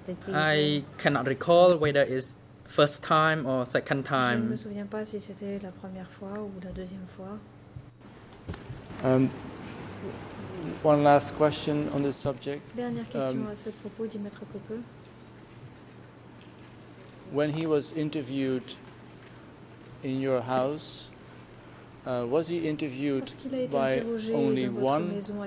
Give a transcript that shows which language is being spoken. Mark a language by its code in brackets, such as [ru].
[en] I cannot recall whether it's first time or second time. [fr] Je ne me souviens pas si c'était la première fois ou la deuxième fois. [en] One last question on this subject. [fr] Dernière question à ce propos, dit Maître Coppeux. [en] When he was interviewed in your house, was he interviewed by only one